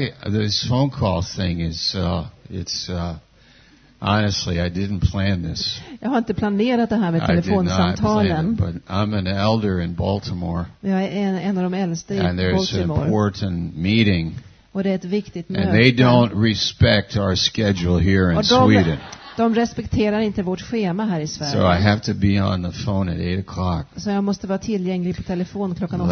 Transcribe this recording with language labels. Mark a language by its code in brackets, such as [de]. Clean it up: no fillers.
[en] This phone call thing is, honestly, I didn't plan this. [sv] Jag har inte planerat det här med telefonsamtalen. [en] But I'm an elder in Baltimore. [sv] Jag är en av de äldsta i Baltimore. [en] And there's an important meeting. [sv] Och det är ett viktigt möte. [en] And they don't respect our schedule here in Sweden. [sv] De respekterar inte vårt schema här i Sverige. [en] So I have to be on the phone at 8 o'clock. [sv] Så jag måste vara tillgänglig på telefon klockan 8.